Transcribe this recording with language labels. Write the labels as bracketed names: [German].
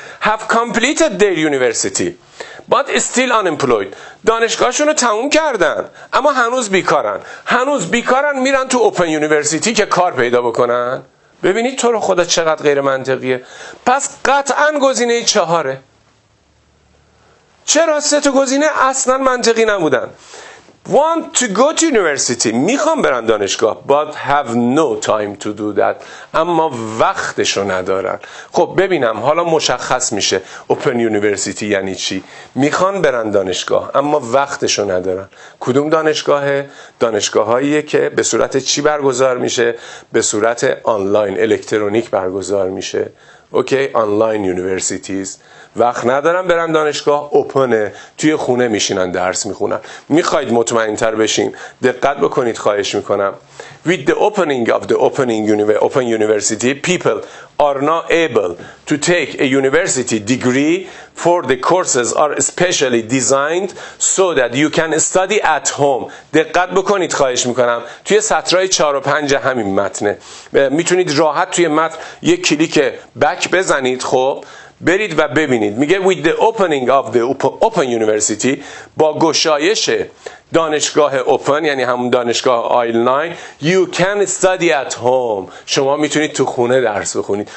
[English] have completed their university but still unemployed، [Persian] دانشگاهشون رو تموم کردن اما هنوز بیکارن. هنوز بیکارن میرن تو open university که کار پیدا بکنن. ببینید تو رو خدا چقدر غیر منطقیه. پس قطعا گزینه چهاره. چرا سه تا گزینه اصلا منطقی نبودن؟ [English] want to go to university. [Persian] میخوام برن دانشگاه. [English] But have no time to do that. [Persian] اما وقتشو ندارن. خب ببینم حالا مشخص میشه open university یعنی چی. میخوان برن دانشگاه اما وقتشو ندارن. کدوم دانشگاهه؟ دانشگاهاییه که به صورت چی برگزار میشه؟ به صورت آنلاین الکترونیک برگزار میشه. اوکی آنلاین یونیورسیتیز. وقت ندارم برم دانشگاه، اوپنه، توی خونه میشینن درس میخونن. میخواید مطمئن تر بشین دقت بکنید، خواهش میکنم. [English] With the opening of the open university, people are now able to take a university degree for the courses are specially designed so that you can study at home. [Persian] دقت بکنید خواهش میکنم، توی سطرهای 4 و 5 همین متنه میتونید راحت توی متن یک کلیک بک بزنید. خب برید و ببینید. میگه [English] with the opening of the open university، [Persian] با گشایش دانشگاه اوپن یعنی همون دانشگاه آنلاین، [English] you can study at home، [Persian] شما میتونید تو خونه درس بخونید.